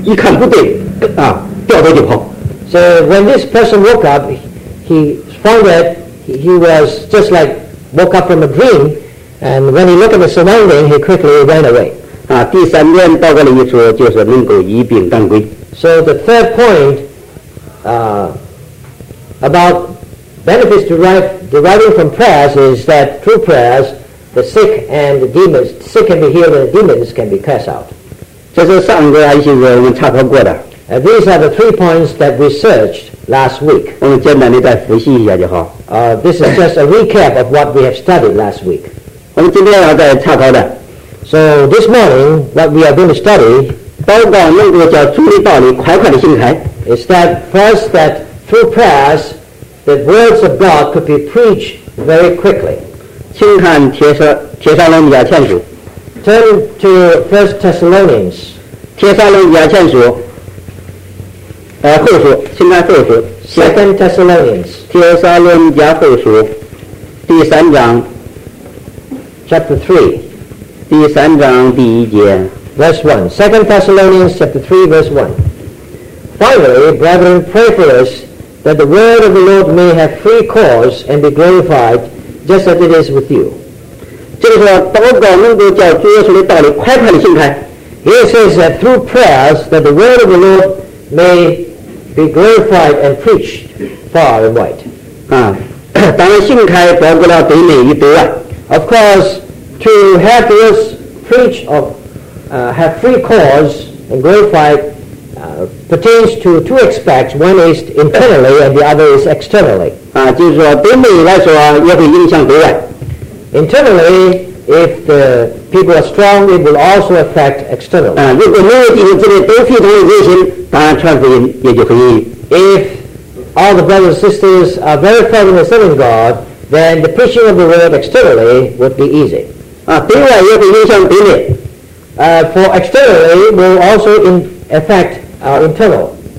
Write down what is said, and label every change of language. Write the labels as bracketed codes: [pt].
[zh] 啊，他起来以后就好像啊睡，忽然间醒过来睡醒了一样，一看不对，啊，掉头就跑。 [en] So when this person woke up, he found that he was just like woke up from a dream, and when he looked at the surrounding, he quickly ran away. [zh] 啊，第三点报告的意思就是能够一病当归。 [en] So the third point about benefits deriving from prayers is that through prayers, the sick and the demons, sick can be healed and the demons can be cast out. [zh] 这是上个星期我们查考过的。 [en] These are the three points that we searched last week. [zh] 我们简单地再复习一下就好。 [en] This is just a recap of what we have studied last week. [zh] 我们今天要再查考的。 [en] So this morning, what we are going to study, [zh] 祷告能够叫主的道理快快地行开。 [en] Is that first that through prayers, the words of God could be preached very quickly. [zh] 请看帖撒罗尼迦前书。 [en] Turn to 1 Thessalonians. [zh] 帖撒罗尼迦前书，后书，请看后书。 [en] 2 Thessalonians. [zh] 帖撒罗尼迦后书，第三章。 [en] Chapter 3. [zh] 第三章第一节 [en] Verse 1 2 Thessalonians chapter 3 verse 1 Finally, brethren, pray for us that the word of the Lord may have free course and be glorified just as it is with you. [zh] 就是说祷告能够叫主耶稣的道理快快地行开。 [en] Here it says that through prayers that the word of the Lord may be glorified and preached far and wide. [zh] 啊，当然行开包括了对内与对外。 [en] Of course, to have this preach of have free cause and glorified pertains to two aspects. One is internally and the other is externally. [zh] 就是说对内来说也会影响对外。 [en] Internally, if the people are strong, it will also affect externally. [zh] 如果没有弟兄姊妹都非常热心，当然传福音也就很容易。 [en] If all the brothers and sisters are very fervent in serving God, then the preaching of the word externally would be easy. [zh] 啊，对外也会影响对内。 [en] For externally will also affect our internal.